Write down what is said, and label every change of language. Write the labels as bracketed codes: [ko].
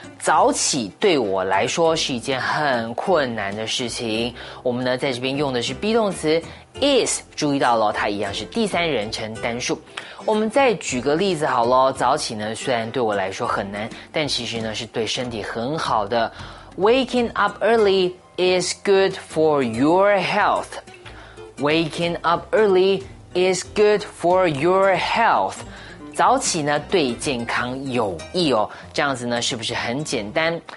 [zh] 早起对我来说是一件很困难的事情。我们呢在这边用的是 be 动词 is， 注意到了它一样是第三人称单数。我们再举个例子好了，早起呢虽然对我来说很难，但其实呢是对身体很好的。 [en] Waking up early is good for your health. Waking up early is good for your health. [zh] 早起呢对健康有益哦，这样子呢是不是很简单？